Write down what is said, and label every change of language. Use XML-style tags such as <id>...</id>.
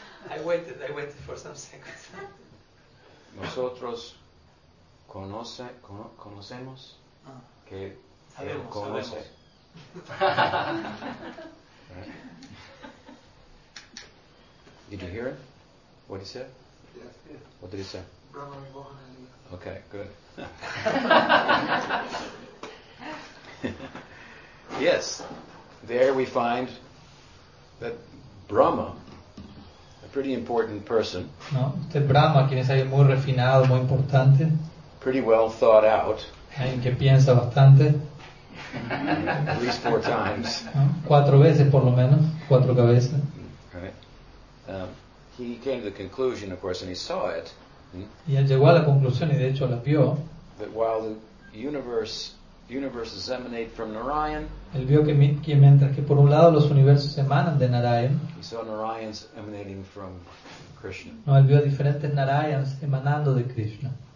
<en>I waited for some seconds.</en> <es>Nosotros conocemos que él conoce.</es> <en>Did you hear it? What did he say? Yes. What did he say? Brahma Vibhavan. Okay, good. Yes, there we find that Brahma, a pretty important person.</en> <es>No, este Brahma, quien es alguien muy refinado, muy importante.</es> <en>Pretty well thought out.</en> <es>Alguien que piensa bastante.</es> <en>At least four times.</en> <es>¿No? Cuatro veces, por lo menos, cuatro cabezas.</es> <en>Right. He came to the conclusion, of course, and he saw it.</en> <es>Y él llegó a la conclusión y de hecho la vio.</es> <en>That while the universes emanate from Narayan.</en> <es>Él vio que mientras que por un lado los universos emanan de Narayan.</es> <en>He saw Narayans emanating from Krishna.</en> <es>No, él vio diferentes Narayans emanando de Krishna.</es>